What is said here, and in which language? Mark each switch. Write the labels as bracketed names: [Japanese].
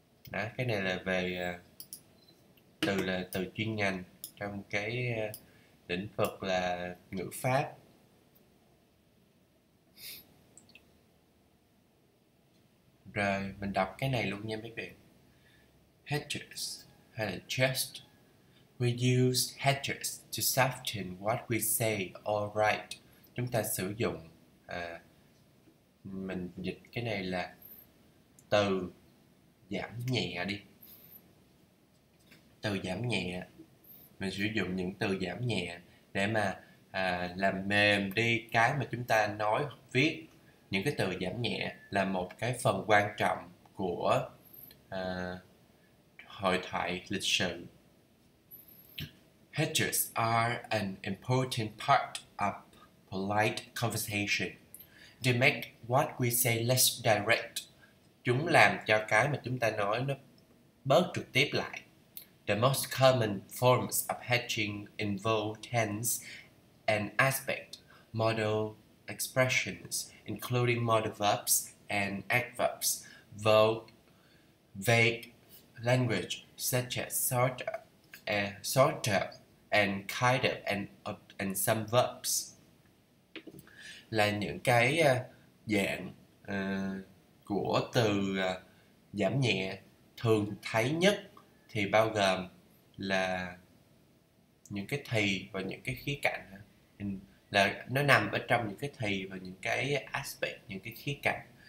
[Vietnamese] Đó, cái này là về từ chuyên ngành trong cái lĩnh vực là ngữ pháp. Rồi mình đọc cái này luôn nha mấy bạn. Hedges hay là chest. [English] We use hedges to soften what we say or write. [Vietnamese] Chúng ta sử dụng mình dịch cái này là từ giảm nhẹ đi. Từ giảm nhẹ, mình sử dụng những từ giảm nhẹ để mà làm mềm đi cái mà chúng ta nói hoặc viết. Những cái từ giảm nhẹ là một cái phần quan trọng của hội thoại lịch sử. [English] Hedges are an important part of polite conversation. They make what we say less direct. [Vietnamese] Chúng làm cho cái mà chúng ta nói nó bớt trực tiếp lại. [English] The most common forms of hedging involve tense and aspect modal expressions, including modal verbs and adverbs, vague language such as sort of and kind of and some verbs. [Vietnamese] Là những cái dạng của từ giảm nhẹ thường thấy nhất thì bao gồm là những cái thì và những cái khía cạnh, là nó nằm ở trong những cái thì và những cái aspect, những cái khía cạnh,